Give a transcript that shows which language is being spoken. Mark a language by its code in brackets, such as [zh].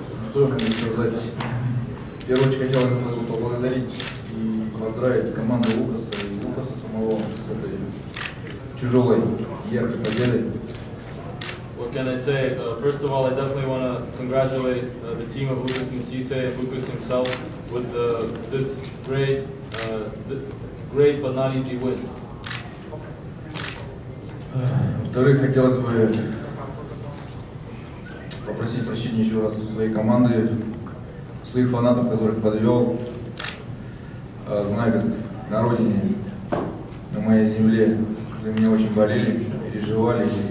[ru] В первую очередь хотелось бы поблагодарить и поздравить команду Лукаса и Лукаса самого с этой тяжелой яркой победой. [en] What can I say? First of all, I definitely want to congratulate the team of Lukas Matthysse and Lukas himself with this great, great but not easy win. [ru] Во-вторых, хотелось бы попросить прощения еще раз у своей команды. Своих фанатов, которых подвел, знаю, как на родине, на моей земле, за меня очень болели, переживали.